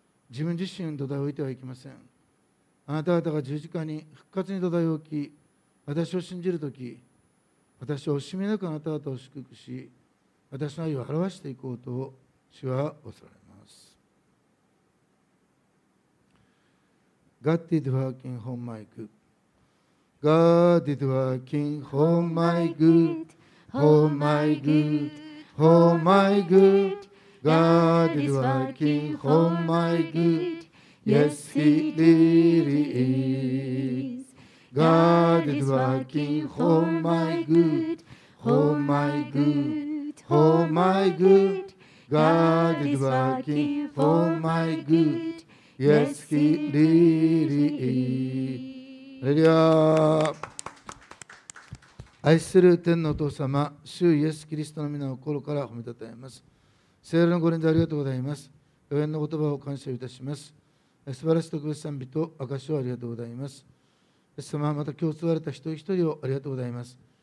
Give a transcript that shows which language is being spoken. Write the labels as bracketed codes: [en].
[ja] 自分自身に土台を置いてはいけません。あなた方が十字架に復活に土台を置き、私を信じるとき、私を惜しみなくあなた方を祝福し、私の愛を表していこうと主は仰せられます。 [en] God is working on my good. God is working on my good. On my goodOh my good, God is working on my good, yes he really is. God is working on my good, oh my good, oh my good, God is working on my good, yes he really is. Hallelujah. [ja] 愛する天のお父様、主イエスキリストの皆を心から褒めたたえます。聖霊のご臨在ありがとうございます。予言の言葉を感謝いたします。素晴らしい特別賛美と証をありがとうございます。イエス様、また今日座れた一人一人をありがとうございます。